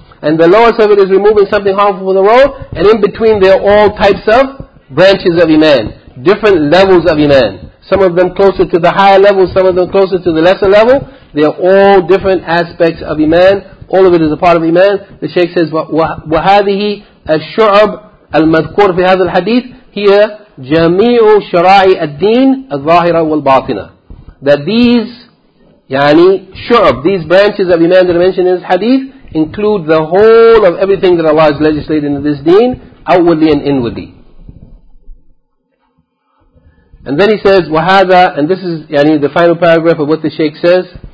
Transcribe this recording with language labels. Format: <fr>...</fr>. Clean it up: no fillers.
<en>And the lowest of it is removing something harmful from the world, and in between there are all types of branches of iman, different levels of iman. Some of them closer to the higher level, some of them closer to the lesser level. They are all different aspects of iman. All of it is a part of iman. The shaykh says,</en> <ar>وَهَذِهِ الشُّعَبْ الْمَذْكُورِ فِي هَذَا الْحَدِيثِ.</ar> <en>Here,</en> <ar>جَمِيعُ شَرَائِ الدِّينِ الظَّاهِرَ وَالْبَاطِنَةِ.</ar> <en>That these, yani, shu'ab, these branches of iman that are mentioned in this hadith, include the whole of everything that Allah has legislated in this deen, outwardly and inwardly. And then he says, وَهَذَا, and this is, yani, the final paragraph of what the shaykh says.</en>